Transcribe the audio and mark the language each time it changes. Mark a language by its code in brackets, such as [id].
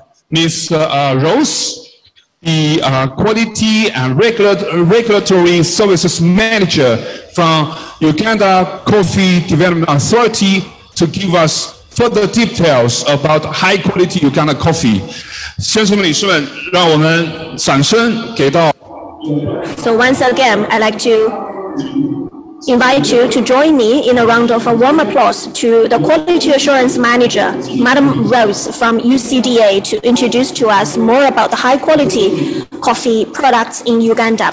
[en] Miss Rose, the quality and regulatory services manager from Uganda Coffee Development Authority to give us further details about high quality Uganda coffee. [zh] 先生们女士们, 让我们掌声给到... [en] So once again, I'd like to invite you to join me in a round of a warm applause to the Quality Assurance Manager, Madam Rose from UCDA, to introduce to us more about the high quality coffee products in Uganda.